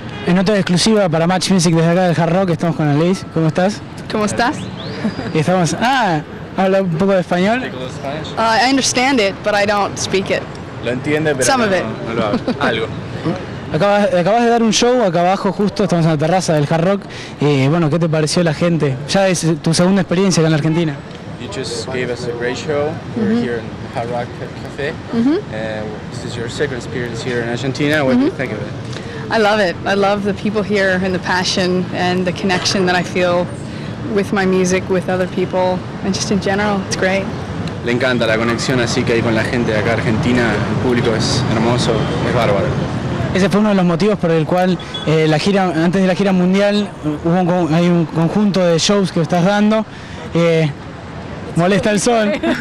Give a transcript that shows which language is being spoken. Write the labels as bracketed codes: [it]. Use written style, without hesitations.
[es] En otra exclusiva para Match Music desde acá del Hard Rock, estamos con Alanis. ¿Cómo estás? ¿Cómo estás? Estamos... ¡Ah! ¿Habla un poco de español? [en] I understand it, but I don't speak it. [es] Lo entiende, pero [en] some [es] no, [en] of it. [es] No lo hablo. Algo. Acabas de dar un show acá abajo, justo, estamos en la terraza del Hard Rock. Bueno, ¿qué te pareció la gente? Ya es tu segunda experiencia acá en la Argentina. [en] You just gave us a great show. We're here in Hard Rock Cafe. This is your second experience here in Argentina. What do you think of it? I love it. I love the people here and the passion and the connection that I feel with my music, with other people, and just in general, it's great. [es] Le encanta la conexión así que hay con la gente de acá Argentina. El público es hermoso, es bárbaro. Ese fue uno de los motivos por el cual la gira, antes de la gira mundial, hay un conjunto de shows que estás dando. Molesta el sol.